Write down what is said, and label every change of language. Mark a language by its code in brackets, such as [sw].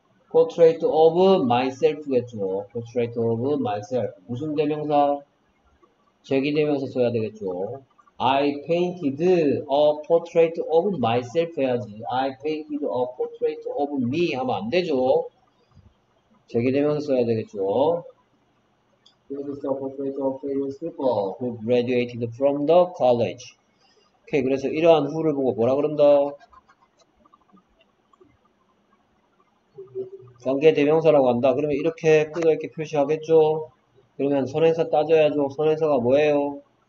[en] portrait of myself겠죠. portrait of myself. [ko] 무슨 대명사? 재기대명사 써야 되겠죠. [en] I painted a portrait of myself [ko] 해야지. [en] I painted a portrait of me [ko] 하면 안 되죠. 재기대명사 써야 되겠죠. [en] This is a portrait of famous people who graduated from the college. [ko] 오케이, 그래서 이러한 후를 보고 뭐라 그런다? 관계대명사라고 한다. 그러면 이렇게 끄덕 이렇게 표시하겠죠? 그러면 선행사 따져야죠. 선행사가 뭐예요?